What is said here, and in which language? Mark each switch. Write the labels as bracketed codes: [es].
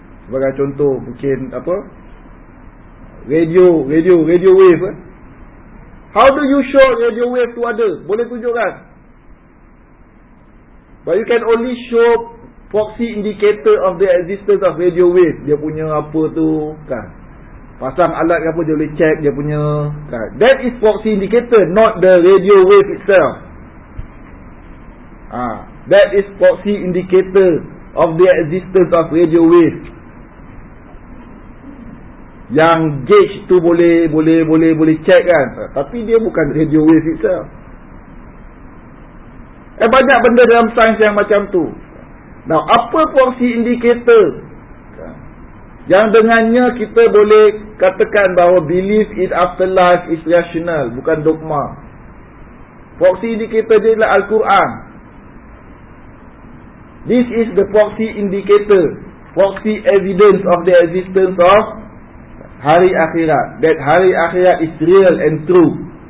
[ms] Sebagai contoh, mungkin apa? [en] Radio wave. How do you show radio wave to other? [ms] Boleh tunjukkan. [en] But you can only show proxy indicator of the existence of radio wave. [ms] Dia punya apa tu kan? Pasang alat ke apa, dia boleh check dia punya kan? [en] That is proxy indicator, not the radio wave itself. That is proxy indicator of the existence of radio wave. [ms] Yang gauge tu boleh check kan, tapi dia bukan radio wave itself. Banyak benda dalam sains yang macam tu. Now, apa proxy indicator yang dengannya kita boleh katakan bahawa [en] belief in afterlife is rational, [ms] bukan dogma. Proxy indicator dia ialah Al-Quran. [en] This is the proxy indicator, proxy evidence of the existence of hari akhirat, that hari akhirat is real and true.